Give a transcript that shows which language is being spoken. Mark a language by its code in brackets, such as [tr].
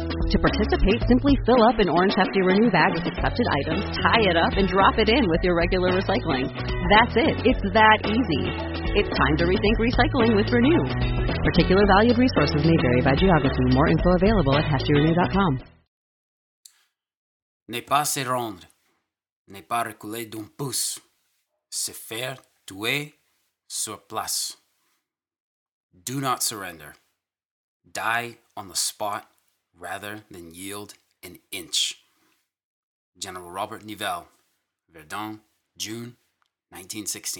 [en] To participate, simply fill up an orange Hefty Renew bag with accepted items, tie it up, and drop it in with your regular recycling. That's it. It's that easy. It's time to rethink recycling with Renew. Particular valued resources may vary by geography. More info available at heftyrenew.com. [fr] Ne pas se rendre, ne pas reculer d'un pouce, se faire tuer sur place. [en] Do not surrender. Die on the spot rather than yield an inch. General Robert Nivelle, Verdun, June 1916.